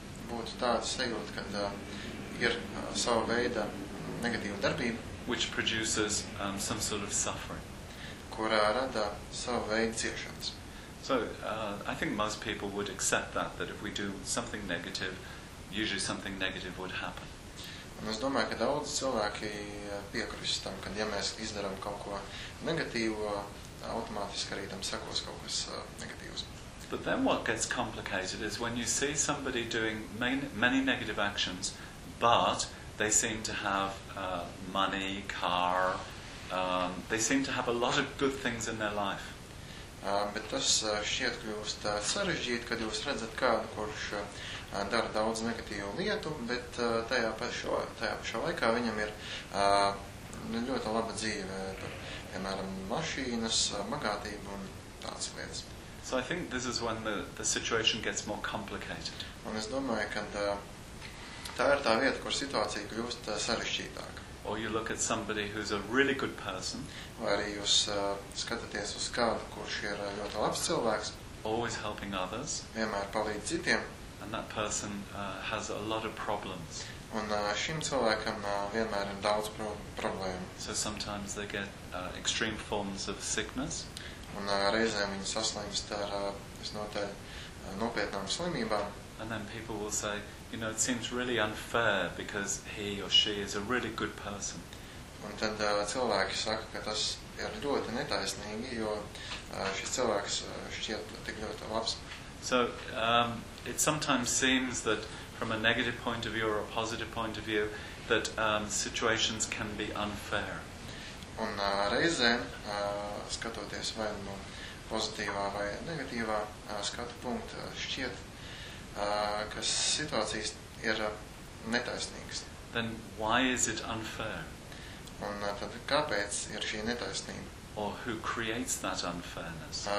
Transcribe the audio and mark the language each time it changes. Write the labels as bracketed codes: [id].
[lv] Būtu tāds sajūta, ka ir sava veida negatīva darbība. [en] Which produces some sort of suffering. [lv] Kurā rada sava veida ciešanas. [en] So I think most people would accept that if we do something negative, usually something negative would happen. [lv] Un es domāju, ka daudz cilvēki piekrīs tam, kad ja mēs izdarām kaut ko negatīvo, automātiski arī tam sekos kaut kas negatīvs. [en] But then what gets complicated is when you see somebody doing many negative actions, but they seem to have money, car, they seem to have a lot of good things in their life. [lv] Bet tas šķiet kļūst sarežģīt, kad jūs redzat kādu, kurš dara daudz negatīvu lietu, bet tajā pašā laikā viņam ir ļoti laba dzīve, piemēram, mašīnas, bagātība un tādas lietas. [en] So I think this is when the situation gets more complicated. [lv] Un es domāju, ka tā ir tā vieta, kur situācija kļūst sarežģītāka. [en] Or you look at somebody who's a really good person. [lv] Vai arī jūs skatāties uz kādu, kurš ir ļoti labs cilvēks. [en] Always helping others. [lv] Vienmēr palīdz citiem. [en] And that person has a lot of problems. [lv] Un šim cilvēkam vienmēr ir daudz problēmu. [en] So sometimes they get extreme forms of sickness. [lv] Un reizēm viņi saslimst ar nopietnām slimībām. [en] And then people will say, you know, it seems really unfair because he or she is a really good person. [lv] Un tad cilvēki saka, ka tas ir ļoti netaisnīgi, jo šis cilvēks šķiet tik ļoti labs. [en] So, it sometimes seems that from a negative point of view or a positive point of view, that situations can be unfair. [lv] Un reizēm, skatoties vai no pozitīvā vai negatīvā skatu punkta, šķiet, kas situācijas ir netaisnīgas. [en] Then why is it unfair? [lv] Un tad kāpēc ir šī netaisnība? [en] Or who creates that unfairness?